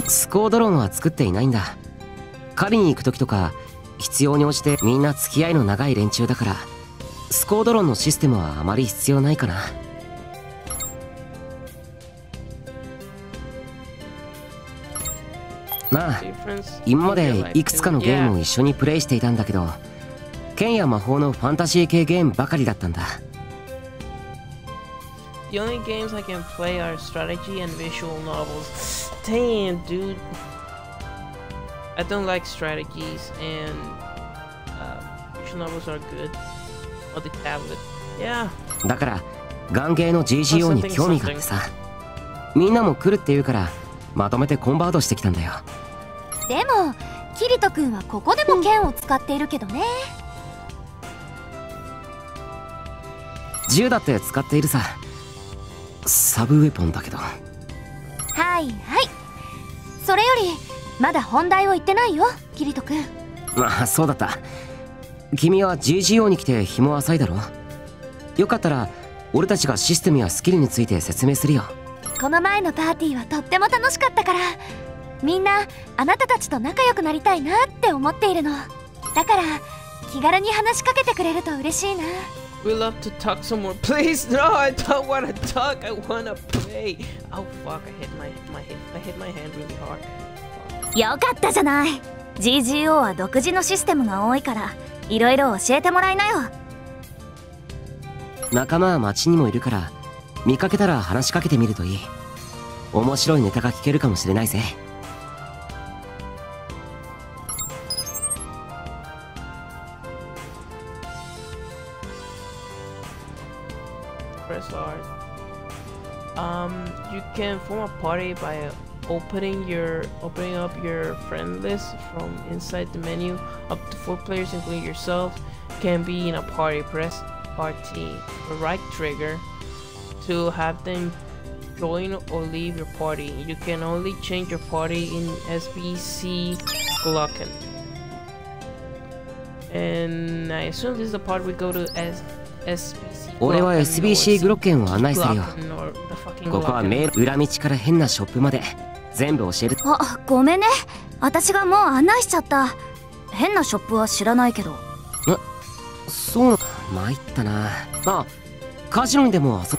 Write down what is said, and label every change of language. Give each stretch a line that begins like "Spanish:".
Japanese: スコードロンは作っていないんだ。狩りに行く時とか必要に応じてみんな付き合いの長い連中だから、スコードロンのシステムはあまり必要ないかな。なあ、今までいくつかのゲームを一緒にプレイしていたんだけど、剣や魔法のファンタシー系ゲームばかりだったんだ。
English: The only games I can play are strategy and visual novels. Damn, dude. I don't like strategies and visual novels are good on the tablet. Yeah.
Japanese: だから、ガンゲーの GGO に興味があってさ。みんなも来るって言うから、まとめてコンバートしてきたんだよ。でも、キリト君はここでも剣を使っているけどね。銃だって使っているさ。サブウェポンだけど。はいはい。それより、まだ本題を言ってないよ、キリト君。まあ、そうだった。君は GGO に来て日も浅いだろ。よかったら、俺たちがシステムやスキルについて説明するよ。この前のパーティーはとっても楽しかったから、みんなあなたたちと仲良くなりたいなって思っているの。だから気軽に話しかけてくれると嬉しいな。
English: We love to talk some more. Please, no, I don't want to talk. I want to play. Oh fuck, I hit my hand really hard.
Japanese: よかったじゃない。 GGO は独自のシステムが多いから、いろいろ教えてもらいなよ。仲間は街にもいるから、見かけたら話しかけてみるといい。面白いネタが聞けるかもしれないぜ。
English: You can form a party by opening up your friend list from inside the menu. Up to 4 players, including yourself, can be in a party. Press party right trigger to have them join or leave your party. You can only change your party in SBC Glocken. And I assume this is the part we go to SBC.
Japanese: 俺は SBC グロッケンを案内するよ。ここは迷路裏道から変なショップまで全部教える。あ、ごめんね、私がもう案内しちゃった。変なショップは知らないけど。え、そう、参ったな。あ、カジノにでも遊